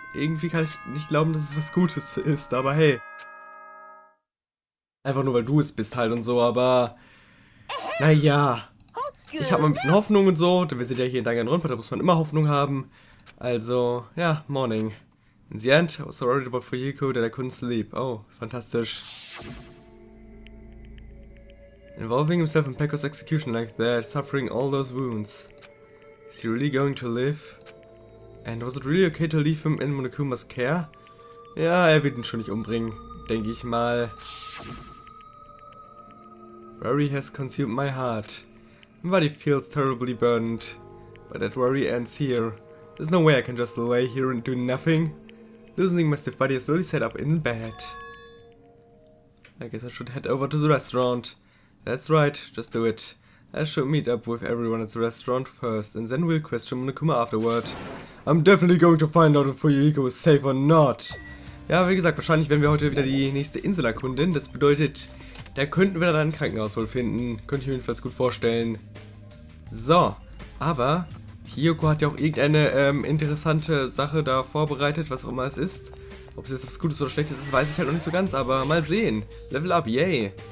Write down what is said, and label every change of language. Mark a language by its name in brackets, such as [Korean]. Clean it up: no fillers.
[German] Irgendwie kann ich nicht glauben, dass es was Gutes ist, aber hey. Einfach nur, weil du es bist halt und so, aber... Naja. Ich habe mal ein bisschen Hoffnung und so, denn wir sind ja hier in Danganronpa, da muss man immer Hoffnung haben. Also, ja, morning. [English] In the end, I was so worried about Fuyuko that I couldn't sleep. [German] Oh, fantastisch. [English] Involving himself in Pekko's execution like that, suffering all those wounds. Is he really going to live? And was it really okay to leave him in Monokumas care? [German] Ja, er wird ihn schon nicht umbringen, denke ich mal. [English] Worry has consumed my heart. My body feels terribly burdened. But that worry ends here. There's no way I can just lay here and do nothing. Losing my stiff body is really set up in bed. I guess I should head over to the restaurant. That's right, just do it. I should meet up with everyone at the restaurant first, and then we'll question Monokuma afterward. I'm definitely going to find out if Fuyuhiko is safe or not. [German] Ja, wie gesagt, wahrscheinlich werden wir heute wieder die nächste Insel erkunden. Das bedeutet, da könnten wir dann ein Krankenhaus wohl finden. Könnte ich mir jedenfalls gut vorstellen. So, aber Hiyoko hat ja auch irgendeine interessante Sache da vorbereitet, was auch immer es ist. Ob es jetzt was Gutes oder Schlechtes ist, weiß ich halt noch nicht so ganz, aber mal sehen. [English] Level up, yay.